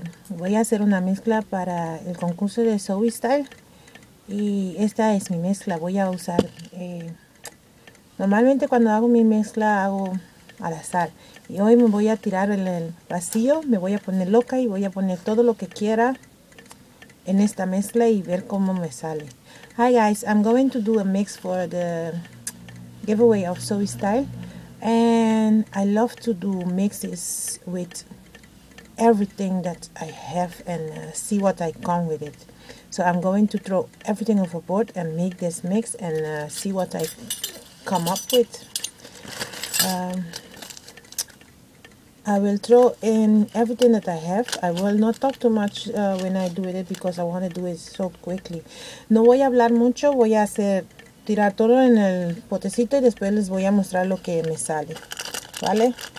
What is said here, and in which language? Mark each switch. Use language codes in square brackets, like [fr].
[es] Voy a hacer una mezcla para el concurso de Zoe Style y esta es mi mezcla. Voy a usar, normalmente cuando hago mi mezcla hago al azar y hoy me voy a tirar en el vacío, me voy a poner loca y voy a poner todo lo que quiera en esta mezcla y ver cómo me sale. [en] Hi guys, I'm going to do a mix for the giveaway of Zoe Style. And I love to do mixes with everything that I have and see what I come with it. So I'm going to throw everything overboard and make this mix and see what I come up with. I will throw in everything that I have. I will not talk too much when I do it because I want to do it so quickly. [es] No voy a hablar mucho, voy a hacer... tirar todo en el potecito y después les voy a mostrar lo que me sale, ¿vale?